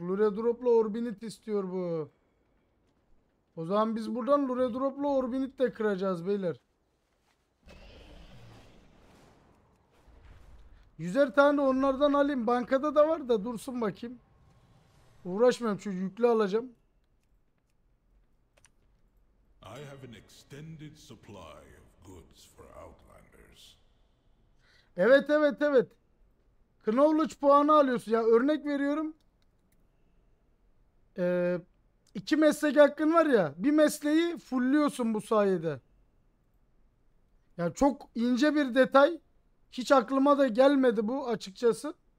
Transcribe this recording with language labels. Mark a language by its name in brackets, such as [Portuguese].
[Turkish] Lure drop'la Orbinit istiyor bu. O zaman biz buradan Lure drop'la Orbinit de kıracağız beyler. Yüzer tane onlardan alayım. Bankada da var da dursun bakayım. Uğraşmayayım, şu yüklü alacağım. [English] I have an extended supply of goods for outlanders. [Turkish] Evet evet evet. Knowledge puanı alıyorsun. Ya örnek veriyorum. İki meslek hakkın var ya. Bir mesleği fulluyorsun bu sayede. Ya çok ince bir detay. Hiç aklıma da gelmedi bu açıkçası.